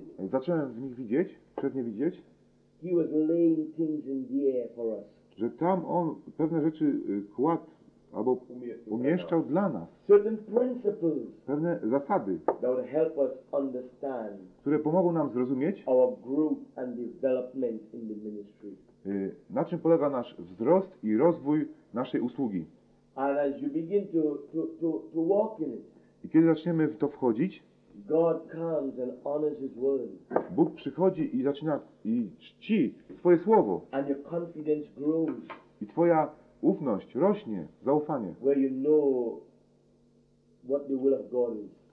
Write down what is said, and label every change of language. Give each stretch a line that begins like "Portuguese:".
Polish: Zacząłem w nich widzieć, przez nie widzieć.
English: He was laying things in the air for us.
Polish: Że tam on pewne rzeczy kładł albo umieszczał dla nas.
English: Certain principles,
Polish: pewne zasady,
English: that would help us understand,
Polish: które pomogą nam zrozumieć
English: our growth and development in the ministry.
Polish: Na czym polega nasz wzrost i rozwój naszej usługi.
English: And as you begin to walk in it,
Polish: i kiedy zaczniemy w to wchodzić,
English: God comes and honors his word.
Polish: Bóg przychodzi i zaczyna i czci swoje słowo.
English: And your confidence grows.
Polish: I twoja ufność rośnie, zaufanie.
English: Where you know what the will of God is.